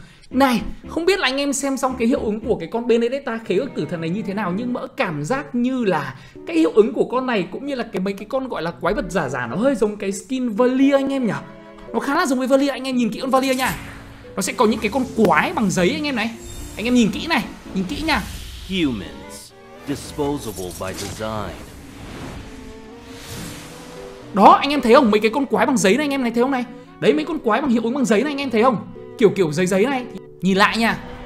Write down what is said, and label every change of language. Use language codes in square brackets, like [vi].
[vi] Này, không biết là anh em xem xong cái hiệu ứng của cái con Benedetta khế ước tử thần này như thế nào, nhưng Mỡ cảm giác như là cái hiệu ứng của con này cũng như là cái mấy cái con gọi là quái vật giả giả, nó hơi giống cái skin Valia anh em nhỉ. Nó khá là giống với Valia, anh em nhìn kỹ con Valia nha. Nó sẽ có những cái con quái bằng giấy anh em này. Anh em nhìn kỹ này, nhìn kỹ nha. [en] Humans disposable by design. [vi] Đó, anh em thấy không? Mấy cái con quái bằng giấy này anh em này thấy không này? Đấy, mấy con quái bằng hiệu ứng bằng giấy này anh em thấy không? Kiểu giấy giấy này. Nhìn lại nha.